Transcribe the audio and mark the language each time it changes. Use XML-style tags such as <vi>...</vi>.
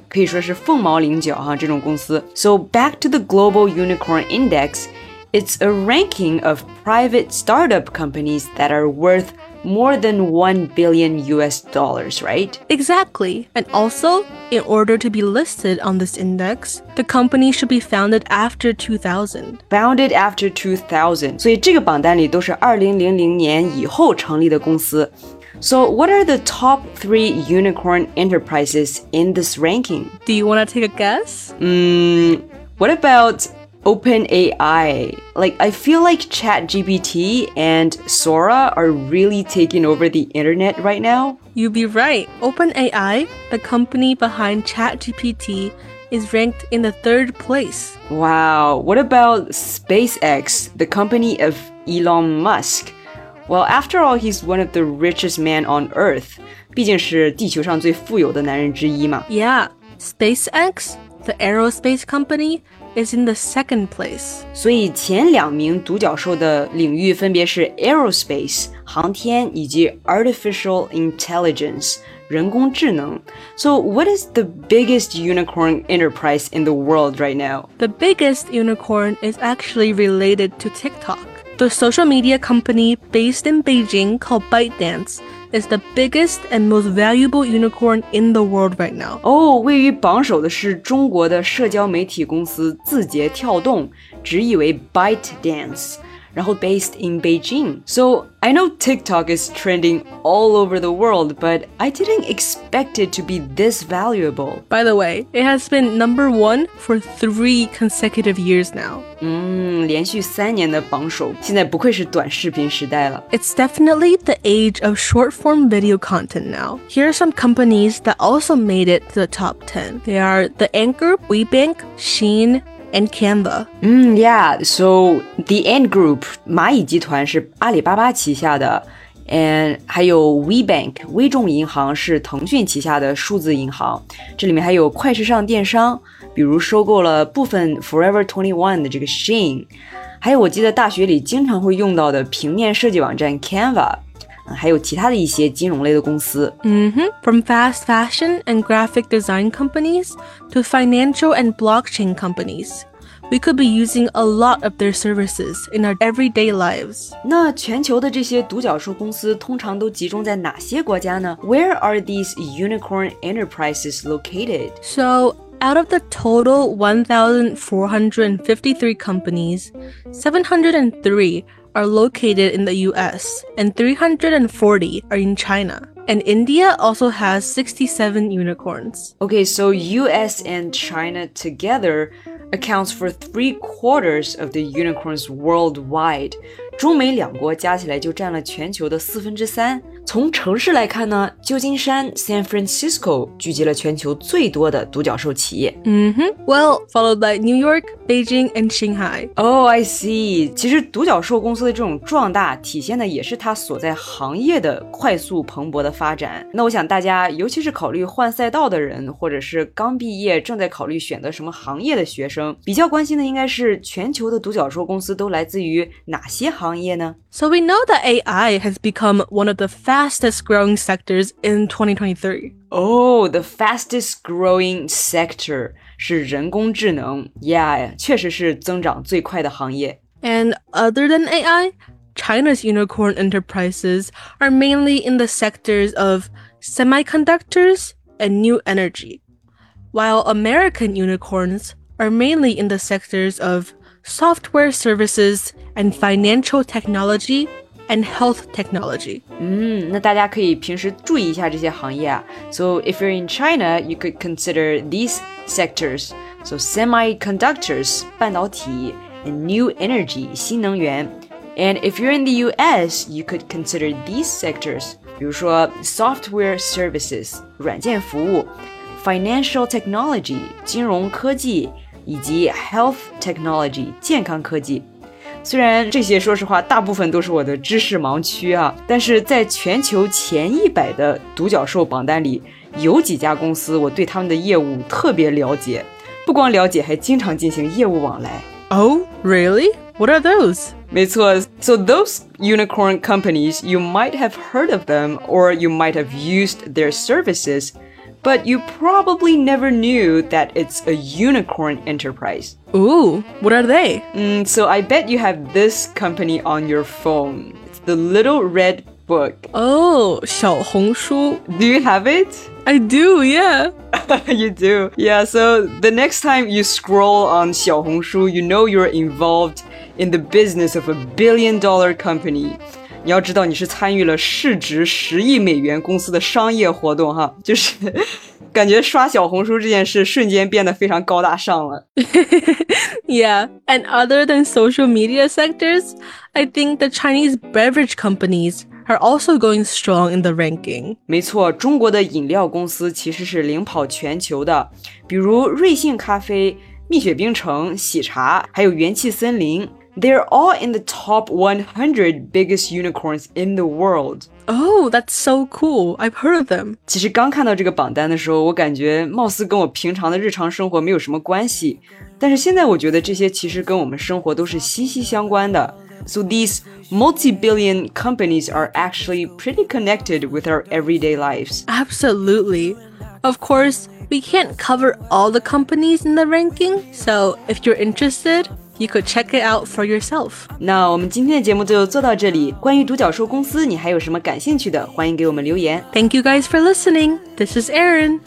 <zh>可以说是凤毛麟角哈，这种公司。</zh> <en>So back to the Global Unicorn Index,It's a ranking of private startup companies that are worth more than $1 billion, right? Exactly. And also, in order to be listed on this index, the company should be founded after 2000. Founded after 2000.</en> <zh>所以这个榜单里都是2000年以后成立的公司。</zh> <en>So what are the top three unicorn enterprises in this ranking? Do you want to take a guess? What aboutOpenAI, like I feel like ChatGPT and Sora are really taking over the internet right now. You'd be right. OpenAI, the company behind ChatGPT, is ranked in the third place. Wow, what about SpaceX, the company of Elon Musk? Well, after all, he's one of the richest men on Earth.</en> <zh>毕竟是地球上最富有的男人之一嘛。</zh> <en>Yeah, SpaceX, the aerospace company,is in the second place.</en> <zh>所以前两名独角兽的领域分别是</zh> <en>aerospace,</en> <zh>航天以及</zh> <en>artificial intelligence,</en> <zh>人工智能。</zh> <en>So what is the biggest unicorn enterprise in the world right now? The biggest unicorn is actually related to TikTok. The social media company based in Beijing called ByteDance is the biggest and most valuable unicorn in the world right now.</en> <zh>Oh, 位于榜首的是中国的社交媒体公司字节跳动，直译为 ByteDance, 然后</zh> <en>based in Beijing. So, I know TikTok is trending all over the world, but I didn't expect it to be this valuable. By the way, it has been number one for 3 consecutive years now.</en> <zh>连续三年的榜首，现在不愧是短视频时代了。</zh> <en>It's definitely the age of short-form video content now. Here are some companies that also made it to the top 10. They are The Anchor, WeBank, Shein,and Canva.</en> <zh>Yeah, so the Ant Group, 蚂蚁集团是阿里巴巴旗下的 and 还有 WeBank, 微众银行是腾讯旗下的数字银行。这里面还有快时尚电商，比如收购了部分 Forever 21的这个 Shein, 还有我记得大学里经常会用到的平面设计网站 Canva,还有其他的一些金融类的公司。</zh> <en>From fast fashion and graphic design companies to financial and blockchain companies, we could be using a lot of their services in our everyday lives.</en> <zh>那全球的这些独角兽公司通常都集中在哪些国家呢?</zh> <en>Where are these unicorn enterprises located? So, out of the total 1,453 companies, 703 are located in the US, and 340 are in China. And India also has 67 unicorns. Okay, so US and China together accounts for 3/4 of the unicorns worldwide.</en> <zh>中美两国加起来就占了全球的四分之三。从城市来看呢，旧金山 San Francisco 聚集了全球最多的独角兽企业。</zh> <en>Well, followed by New York, Beijing, and Shanghai. Oh, I see.</en> <zh>其实独角兽公司的这种壮大体现的也是它所在行业的快速蓬勃的发展。那我想大家，尤其是考虑换赛道的人，或者是刚毕业正在考虑选择什么行业的学生，比较关心的应该是全球的独角兽公司都来自于哪些行业呢？</zh> <en>So we know that AI has become one of the fastest growing sectors in 2023. Oh, the fastest growing sector</en> <zh>是人工智能。 Yeah, 确实是增长最快的行业。</zh> <en>And other than AI, China's unicorn enterprises are mainly in the sectors of semiconductors and new energy, while American unicorns are mainly in the sectors of software services and financial technology and health technology.</en> <zh>那大家可以平时注意一下这些行业啊。</zh> <en>So if you're in China, you could consider these sectors. So semiconductors,</en> <zh>半导体,</zh> <en>and new energy,</en> <zh>新能源。</zh> <en>And if you're in the US, you could consider these sectors.</en> <zh>比如说</zh> <en>software services,</en> <zh>软件服务,</zh> <en>financial technology,</en> <zh>金融科技,以及</zh> <en>health technology,</en> <zh>健康科技。虽然这些说实话大部分都是我的知识盲区啊，但是在全球前100的独角兽榜单里，有几家公司我对他们的业务特别了解，不光了解还经常进行业务往来。</zh> <en>Oh, really? What are those?</en> <zh>没错，</zh> <en>So those unicorn companies, you might have heard of them or you might have used their servicesBut you probably never knew that it's a unicorn enterprise. Ooh, what are they? So I bet you have this company on your phone. It's the Little Red Book. Oh, 小红书. Do you have it? I do, yeah. You do? Yeah, so the next time you scroll on 小红书, you know you're involved in the business of a $1 billion company.</en> <zh>你要知道你是参与了市值$10 billion公司的商业活动哈，就是感觉刷小红书这件事瞬间变得非常高大上了。</zh> <en>Yeah, and other than social media sectors, I think the Chinese beverage companies are also going strong in the ranking.</en> <zh>没错，中国的饮料公司其实是领跑全球的，比如瑞幸咖啡、蜜雪冰城、喜茶，还有元气森林。</zh> <en>They're all in the top 100 biggest unicorns in the world. Oh, that's so cool. I've heard of them.</en> <zh>其实刚看到这个榜单的时候，我感觉貌似跟我平常的日常生活没有什么关系。但是现在我觉得这些其实跟我们生活都是息息相关的。</zh> <en>So these multi-billion companies are actually pretty connected with our everyday lives. Absolutely. Of course, we can't cover all the companies in the ranking. So if you're interested... You could check it out for yourself.</en> <zh>那我们今天的节目就做到这里。关于独角兽公司，你还有什么感兴趣的？欢迎给我们留言。</zh> <en>Thank you guys for listening. This is Aaron.</en>